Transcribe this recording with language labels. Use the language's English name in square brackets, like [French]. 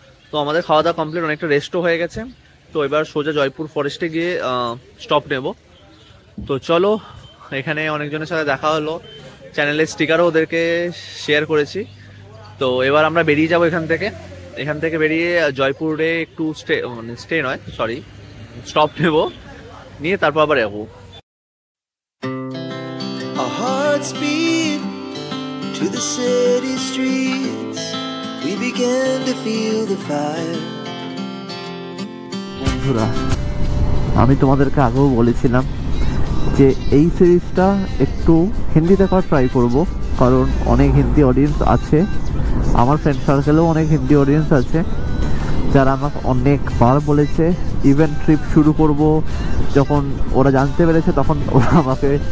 [Bangla] তো আমাদের খাওয়া দাওয়া কমপ্লিট, অনেকটা রেস্টও হয়ে গেছে। তো এবার সোজা জয়পুর ফরেস্টে গিয়ে স্টপ নেব। তো চলো, এখানে অনেকজনের সাথে দেখা হলো, চ্যানেলের স্টিকারও ওদেরকে শেয়ার করেছি। তো এবার আমরা বেরিয়ে যাবো এখান থেকে, এখান থেকে বেরিয়ে জয়পুরে একটু স্টে মানে স্টে নয় সরি স্টপ নেব, নিয়ে তারপর আবার যাব। [English] To the city streets, we began to feel the fire. [Bangla] বন্ধুরা, আমি তোমাদেরকে আগেও বলেছিলাম যে এই সিরিজটা একটু হিন্দিতে করার ট্রাই করব, কারণ অনেক হিন্দি অডিয়েন্স আছে, আমার ফ্রেন্ড সার্কেলেও অনেক হিন্দি অডিয়েন্স আছে, যারা আমাকে অনেকবার বলেছে ইভেন্ট ট্রিপ শুরু করব, যখন ওরা জানতে পেরেছে তখন ওরা আমাকে